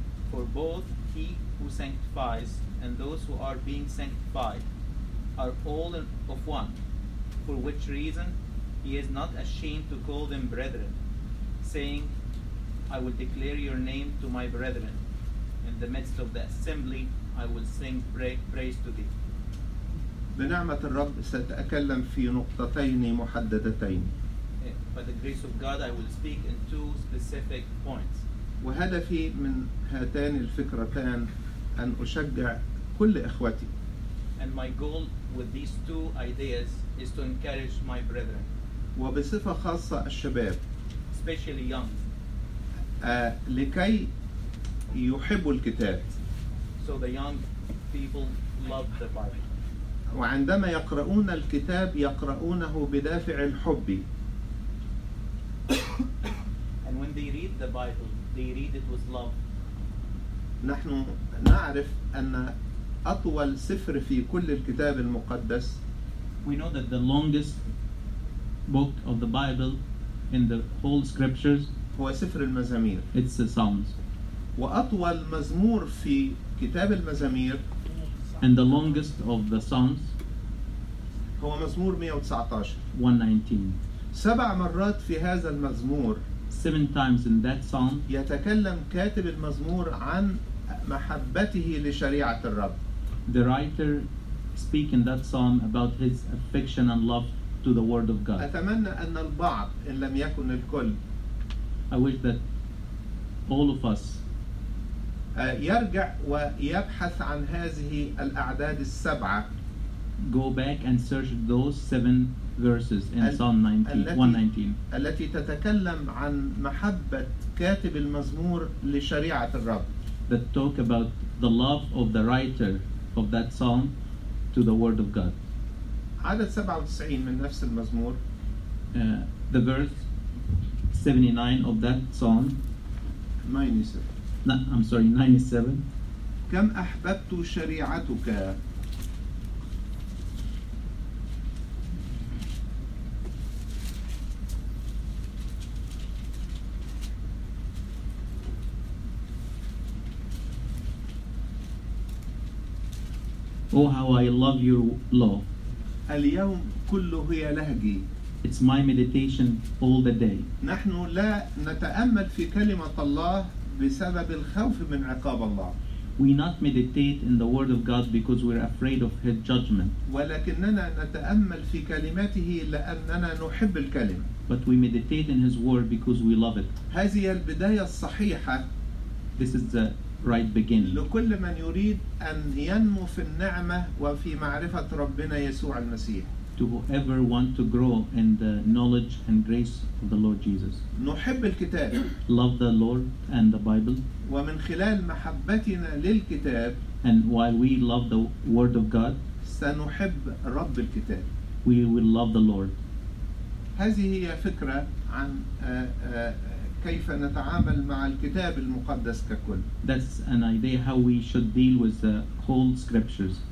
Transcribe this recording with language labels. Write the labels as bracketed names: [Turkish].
[English] For both he who sanctifies and those who are being sanctified are all of one, for which reason he is not ashamed to call them brethren, saying, I will declare your name to my brethren. In the midst of the assembly, I will sing praise to thee. [Arabic] بنعمة الرب سأتكلم في نقطتين محددتين. [English] By the grace of God, I will speak in two specific points. [Arabic] وهدفي من هاتين الفكرتين أن أشجع كل إخوتي. [English] And my goal with these two ideas is to encourage my brethren. [Arabic] وبصفة خاصة الشباب. [English] Especially young. [Arabic] لكي يحبوا الكتاب. [English] So the young people love the Bible. [Arabic] وعندما يقرؤون الكتاب يقرؤونه بدافع الحب. [English] And when they read the Bible, they read it with love. [Arabic] نحن نعرف أن أطول سفر في كل الكتاب المقدس. [English] We know that the longest book of the Bible in the whole scriptures [Arabic] هو سفر المزامير. [English] It's the Psalms. [Arabic] وأطول مزمور في كتاب المزامير. [English] And the longest of the Psalms. [Arabic] هو مزمور 119. [English] 119. [Arabic] سبع مرات في هذا المزمور. [English] seven times in that psalm. [Arabic] يتكلم كاتب المزمور عن محبته لشريعة الرب. [English] The writer speak in that psalm about his affection and love to the word of God. [Arabic] أتمنى أن البعض إن لم يكن الكل. [English] I wish that all of us [Arabic] يرجع ويبحث عن هذه الأعداد السبعة. [English] Go back and search those seven verses in Psalm 119. [Arabic] التي تتكلم عن محبة كاتب المزمور لشريعة الرب. [English] That talk about the love of the writer of that psalm to the word of God. [Arabic] عدد 97 من نفس المزمور. [English] The verse 79 of that psalm. [Arabic] 97. [English] No, I'm sorry, 97. [Arabic] كم أحببت شريعتك. [English] Oh, how I love your law. [Arabic] اليوم كله هي لهجي. [English] It's my meditation all the day. [Arabic] نحن لا نتأمل في كلمة الله بسبب الخوف من عقاب الله. [English] We not meditate in the word of God because we're afraid of his judgment. [Arabic] ولكننا نتأمل في كلماته لأننا نحب الكلمة. [English] But we meditate in his word because we love it. [Arabic] هذه البداية الصحيحة. [English] This is the right beginning. [Arabic] لكل من يريد أن ينمو في النعمة وفي معرفة ربنا يسوع المسيح. [English] To whoever want to grow in the knowledge and grace of the Lord Jesus. [Arabic] نحب الكتاب. [English] Love the Lord and the Bible. [Arabic] ومن خلال محبتنا للكتاب. [English] And while we love the Word of God. [Arabic] سنحب رب الكتاب. [English] We will love the Lord. [Arabic] هذه هي فكرة عن كيف نتعامل مع الكتاب المقدس ككل. [English] That's an idea how we should deal with the whole scriptures.